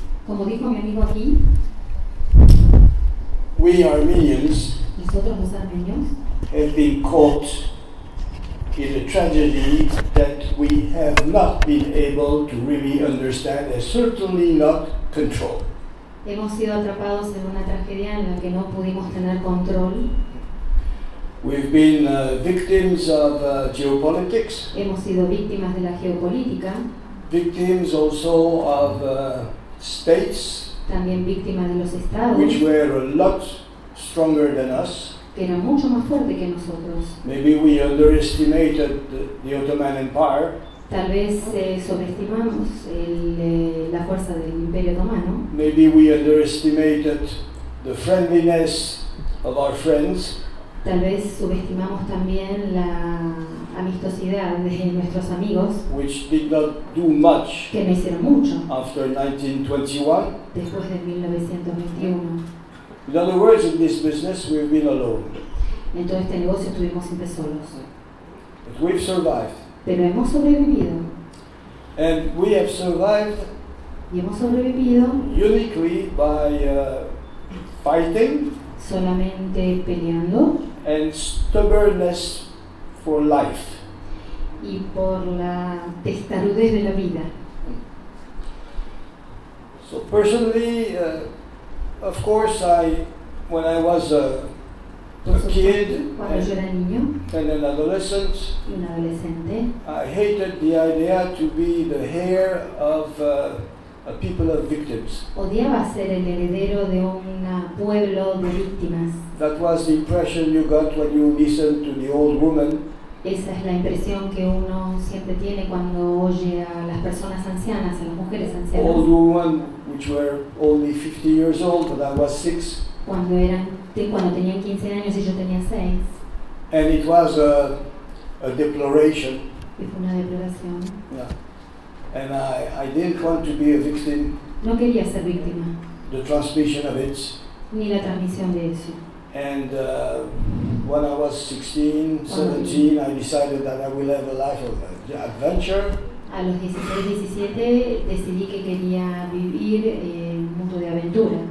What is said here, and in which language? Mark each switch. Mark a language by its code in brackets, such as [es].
[es] Como dijo mi amigo aquí. [en] We Armenians have been caught in a tragedy that we have not been able to really understand and certainly not control. [es] Hemos sido atrapados en una tragedia en la que no pudimos tener control. [en] We've been victims of geopolitics. [es] Hemos sido víctimas de la geopolítica. [en] Victims also of states. [es] También víctima de los estados, [en] which were a lot stronger than us. [es] Que era mucho más fuerte que nosotros. [en] Maybe we underestimated the Ottoman Empire. [es] Tal vez sobreestimamos la fuerza del Imperio Otomano. [en] Maybe we underestimated the friendliness of our friends. [es] Tal vez subestimamos también la amistosidad de nuestros amigos, [en] which did not do much, [es] que no hicieron mucho [en] after 1921. [es] Después de 1921. [en] In other words, in this business, we've been alone. [es] En todo este negocio estuvimos siempre solos. [en] But we've survived. [es] Pero hemos sobrevivido. [en] And we have survived, [es] y hemos sobrevivido [en] uniquely by fighting, [es] solamente peleando, [en] and stubbornness for life, [es] y por la testarudez de la vida. [en] So personally, of course, when I was a kid and an adolescent, [es] un adolescente, [en] I hated the idea to be the heir of a people of victims. [es] Odiaba ser el heredero de un pueblo de víctimas. [en] That was the impression you got when you listened to the old woman. [es] Esa es la impresión que uno siempre tiene cuando oye a las personas ancianas, a las mujeres ancianas. [en] Old woman, which were only 50 years old, but I was 6. [es] Cuando tenían 15 años y yo tenía 6. [en] And it was a deploration. [es] Y fue una deploración. [en] Yeah. And I didn't want to be a victim. [es] No quería ser víctima. [en] The transmission of it. [es] Ni la transmisión de eso. [en] And when I was 16, 17, I decided that I will have a life of adventure. [es] A los 16, 17, decidí que quería vivir un mundo de aventura.